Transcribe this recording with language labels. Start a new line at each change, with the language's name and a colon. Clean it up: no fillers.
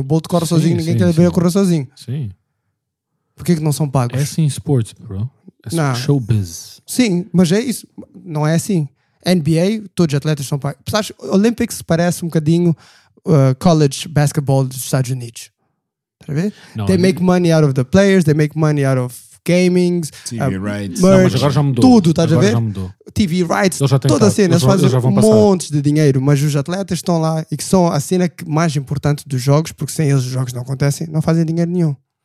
Portuguese: O Bolt corre sozinho, ninguém quer ver a correr sozinho. Sim. Porquê que não são pagos? É assim,
English: sports, bro.
Portuguese: É showbiz. Sim, mas é isso. Não é assim. NBA, todos os atletas são pagos. Pessoas, Olympics parece um bocadinho college basketball dos Estados Unidos. Está a ver? Não,
English: they make money out of the players, they make money out of gamings, TV rights.
Portuguese: Merch, não, mas agora já mudou. Tudo, estás agora a ver?
English: TV rights,
Portuguese: toda a cena. Eles fazem montes de dinheiro, mas os atletas estão lá e que são a cena mais importante dos jogos, porque sem eles os jogos não acontecem, não fazem dinheiro nenhum.